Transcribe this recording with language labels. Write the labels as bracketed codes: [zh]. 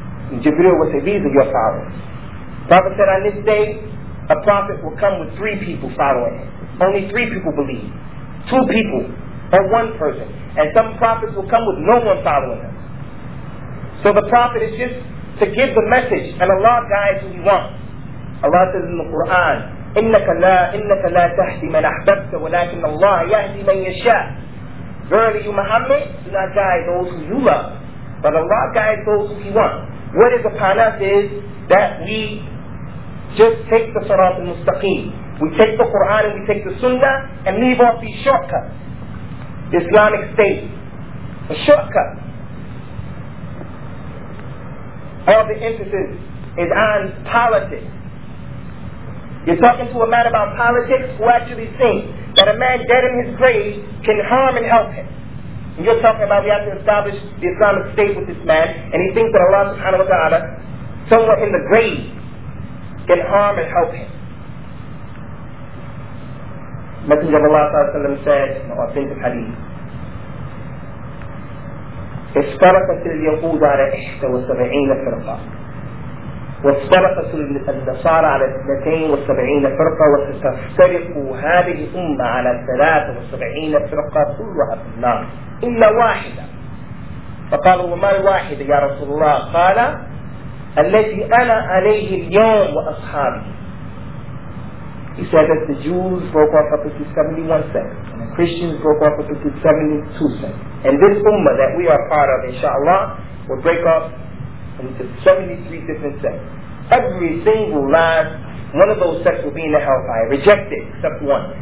[en] And Jibreel would say, "These are your followers." The Prophet said, "On this day, a prophet will come with three people following him. Only three people believe. Two people or one person. And some prophets will come with no one following them." So the prophet is just to give the message, and Allah guides who He wants. Allah says in the Quran, [ar] إِنَّكَ لَا تَهْدِ مَنْ أَحْبَبْتَ وَلَكِنَّ اللَّهَ يَهْدِ مَنْ يَشَاءُ. [en] Verily you Muhammad, do not guide those who you love, but Allah guides those who He wants. What is upon us is that we just take the Sirat al-Mustaqim. We take the Quran and we take the Sunnah and leave off these shortcuts. The Islamic State, a shortcut. All the emphasis is on politics. You're talking to a man about politics who actually thinks that a man dead in his grave can harm and help him. And you're talking about we have to establish the Islamic State with this man, and he thinks that Allah subhanahu wa ta'ala, somewhere in the grave, can harm and help him. The Messenger of Allah sallallahu alayhi wa sallam said in the authentic hadith, [ar] اشترقت اليهود على 71 فرقة واشترقت النصارى على 72 فرقة وستفترق هذه الأمة على 73 فرقة كلها في النار إلا واحدة. فقالوا: وما الواحدة يا رسول الله؟ قال: التي أنا عليه اليوم وأصحابي. [en] He said that the Jews broke off up into 71 sects, and the Christians broke off up into 72 sects. And this ummah that we are part of, inshallah, will break off into 73 different sects. Every single last one of those sects will be in the hellfire, rejected, except one.